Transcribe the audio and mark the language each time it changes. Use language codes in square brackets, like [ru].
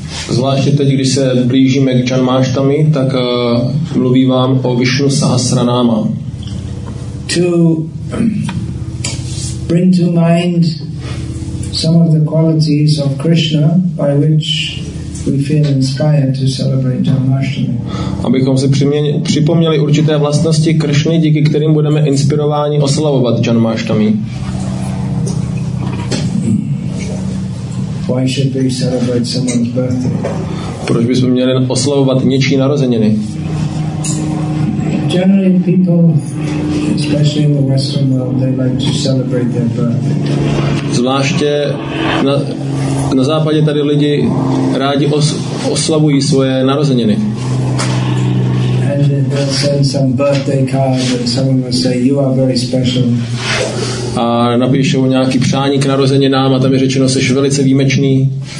[cs] Zvláště teď, když se blížíme k Janmashtami, tak mluvím vám o Vishnu Sahasranama. [en] To bring to mind some of the qualities of Krishna by which we feel inspired to celebrate Janmashtami. [cs] Abychom si připomněli určité vlastnosti Krishny, díky kterým budeme inspirováni oslavovat Janmashtami. [en] Why should we celebrate someone's birthday? [cs] Proč bychom měli oslavovat něčí narozeniny? [en] Generally people, especially in the Western world, they like to celebrate their birthday. [cs] Zvláště na západě tady lidi rádi oslavují svoje narozeniny. [en] And they'll send some birthday card and someone will say, you are very special. [cs] A napíšou nějaký přání k narozeninám a tam je řečeno, že jsi velice výjimečný.